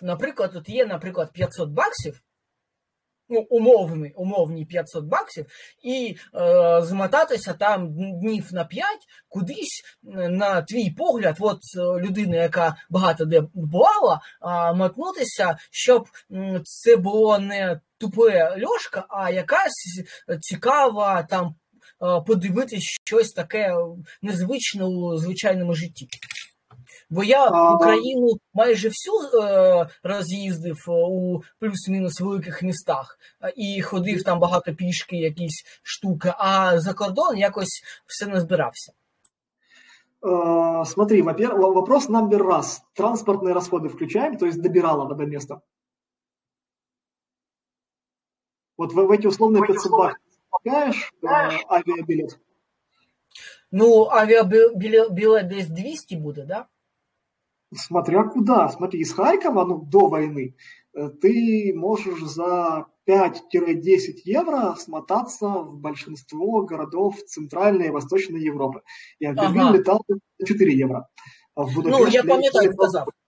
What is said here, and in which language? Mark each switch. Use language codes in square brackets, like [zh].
[uk] Наприклад, от є, наприклад, 500 баксів, ну, умовні 500 баксів, і змотатися там днів на 5 кудись, на твій погляд, от людина, яка багато де бувала, мотнутися, щоб це було не тупе льошка, а якась цікава там подивитись щось таке незвичне у звичайному житті. Бо я Україну майже всю роз'їздив у плюс-мінус великих містах і ходив там багато пішки, якісь штуки, а за кордон якось все не збирався. [ru] Смотри, во-первых, вопрос номер раз. [uk] Транспортні расходи включаємо, тобто добирала до міста. От в ці условні 500 баксів купуєш авіабілет? Ну, авіабілет десь 200 буде, да? [ru] Смотря куда. Смотри, из Харькова, ну, до войны, ты можешь за 5-10 евро смотаться в большинство городов Центральной и Восточной Европы. И Берлин летал за 4 евро. В Будапешт, ну, я помню, так сказал.